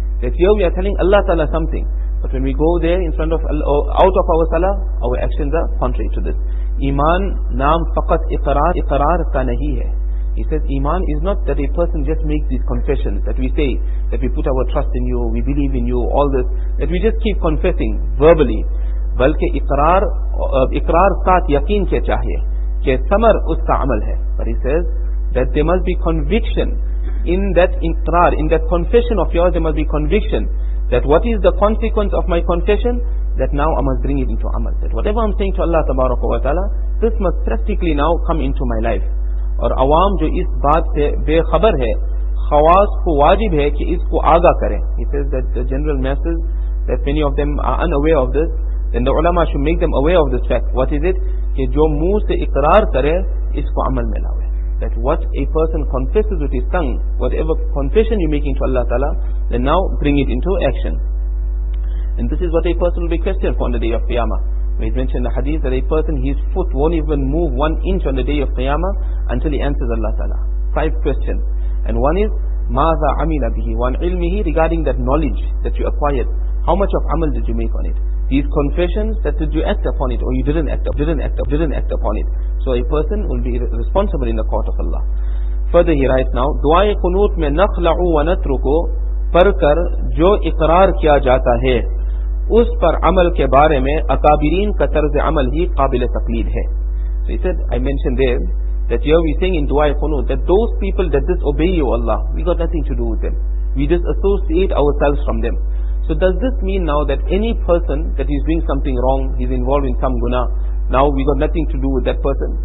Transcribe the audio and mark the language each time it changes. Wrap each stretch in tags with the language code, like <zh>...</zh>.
<en>That here we are telling Allah Ta'ala something, but when we go there in front of Allah, out of our salah, our actions are contrary to this.</en> <ur>Iman naam faqat iqrar ka nahi hai.</ur> <en>He says, iman is not that a person just makes these confessions, that we say, that we put our trust in you, we believe in you, all this, that we just keep confessing verbally.</en> <ur>بلکہ اقرار ساتھ یقین کے چاہیے کہ ثمر اس کا عمل ہے.</ur> <en>But he says, that there must be conviction in that اقرار, in that confession of yours, there must be conviction that what is the consequence of my confession, that now I must bring it into amal. That whatever I'm saying to Allah تبارک و تعالی, this must practically now come into my life.</en> <ur>اور عوام جو اس بات سے بے خبر ہے, خواص کو واجب ہے کہ اس کو آگاہ کریں.</ur> <en>He says that the general masses, that many of them are unaware of this, then the ulama should make them aware of this fact. What is it?</en> <ur>Ke jo muh se iqrar kare, isko amal mein lawe.</ur> <en>That what a person confesses with his tongue, whatever confession you're making to Allah Ta'ala, then now bring it into action. And this is what a person will be questioned for on the day of Qiyamah. We mentioned the hadith that a person, his foot won't even move 1 inch on the day of Qiyamah until he answers Allah Ta'ala. 5 questions. And one is,</en> <ar>مَاذَا عَمِلَ بِهِ وَانْ عِلْمِهِ,</ar> <en>regarding that knowledge that you acquired. How much of amal did you make on it? These confessions, that did you act upon it, or you didn't act upon it. So a person will be responsible in the court of Allah. Further he writes now,</en> <ur>دُعَيْ قُنُوتْ مَنْ نَخْلَعُ وَنَتْرُكُ پَرْكَرْ جو اقرار کیا جاتا ہے اس پر عمل کے بارے میں اکابرین کا طرز عمل ہی قابل تقلید ہے.</ur> <en>So he said, I mentioned there, that here we saying in Du'a-i Qunut, that those people that disobey you, Allah, we got nothing to do with them. We just associate ourselves from them. So does this mean now that any person that is doing something wrong, he's involved in some guna, now we got nothing to do with that person?</en>